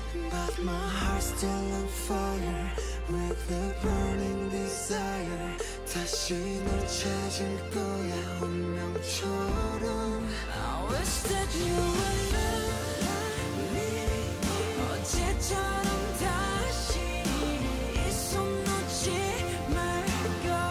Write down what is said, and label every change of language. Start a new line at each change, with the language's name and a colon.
English: But my heart's still on fire with the burning desire.
Korean: 다시 널 찾을 거야 운명처럼.
English: I wish that you would love me.
Korean: 어제처럼 다시 이 손 놓지 말고.